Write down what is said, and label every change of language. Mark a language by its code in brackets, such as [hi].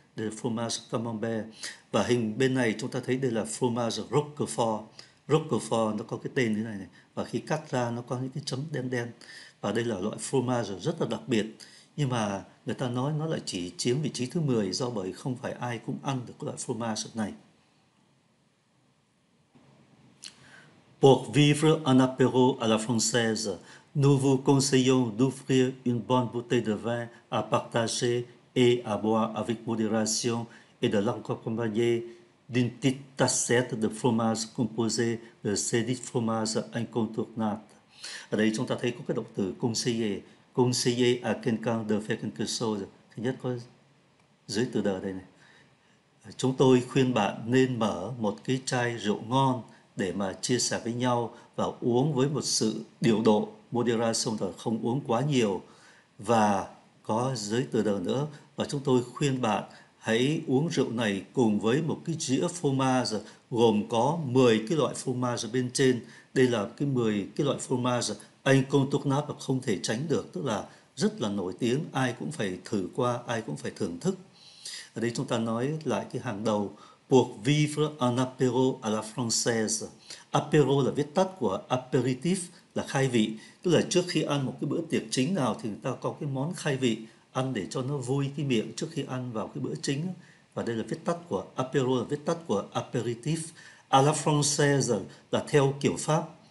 [vi] Đây là phô mai camembert. Và hình bên này chúng ta thấy đây là phô mai roquefort. Roquefort nó có cái tên như này này, và khi cắt ra nó có những cái chấm đen đen, và đây là loại phô mai rất là đặc biệt. Nhưng mà người ta nói nó lại chỉ chiếm vị trí thứ 10 do bởi không phải ai cũng ăn được loại phô mai này. [fr] Pour vivre un apéro à la française, nous vous conseillons d'offrir une bonne bouteille de vin à partager et à boire avec modération et de l'accompagner d'une petite tassette de fromage composée de ces 10 fromages incontournables. [vi] Ở đây chúng ta thấy có cái động từ conseiller. [fr] Conseiller à quelqu'un de faire quelque chose. [vi] Thứ nhất có dưới từ đờ đây này. Chúng tôi khuyên bạn nên mở một cái chai rượu ngon để mà chia sẻ với nhau và uống với một sự điều độ, moderation, là không uống quá nhiều. Và có dưới từ đờ nữa. Và chúng tôi khuyên bạn hãy uống rượu này cùng với một cái dĩa fromage gồm có 10 cái loại fromage bên trên. Đây là cái 10 cái loại fromage incontournable và không thể tránh được, tức là rất là nổi tiếng, ai cũng phải thử qua, ai cũng phải thưởng thức. Ở đây chúng ta nói lại cái hàng đầu [fr] Pour vivre un apéro à la française. [vi] Apéro là viết tắt của apéritif, là khai vị. Tức là trước khi ăn một cái bữa tiệc chính nào thì người ta có cái món khai vị ăn để cho nó vui cái miệng trước khi ăn vào cái bữa chính. Và đây là viết tắt của apéro, là viết tắt của apéritif. À la française là theo kiểu Pháp.